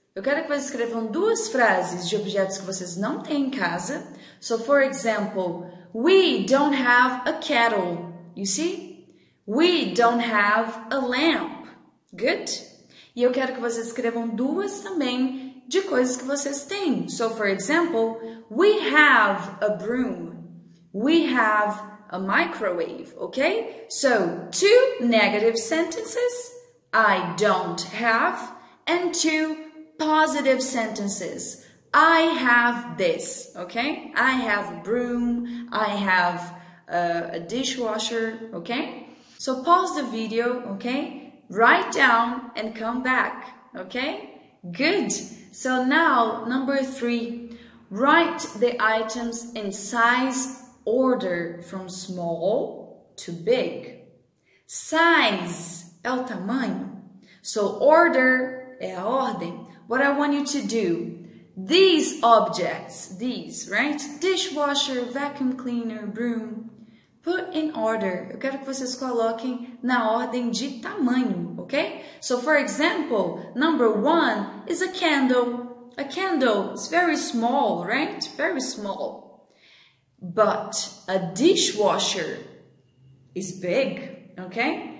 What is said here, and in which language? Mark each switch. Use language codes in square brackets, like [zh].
[pt] Eu quero que vocês escrevam duas frases de objetos que vocês não têm em casa. [en] So, for example, we don't have a kettle, you see? We don't have a lamp. Good? [pt] E eu quero que vocês escrevam duas também de coisas que vocês têm. [en] So, for example, we have a broom. We have a microwave, okay? So, two negative sentences, I don't have, and two positive sentences, I have this, okay? I have a broom, I have a dishwasher, okay? So, pause the video, okay? Write down and come back, okay? Good. So, now, number three, write the items in size order from small to big. [pt] Size é o tamanho. So order é a ordem. [en] What I want you to do, these objects, these, right? Dishwasher, vacuum cleaner, broom, put in order. [pt] Eu quero que vocês coloquem na ordem de tamanho, okay? [en] So for example, number one is a candle. A candle is very small, right? Very small. But a dishwasher is big, okay?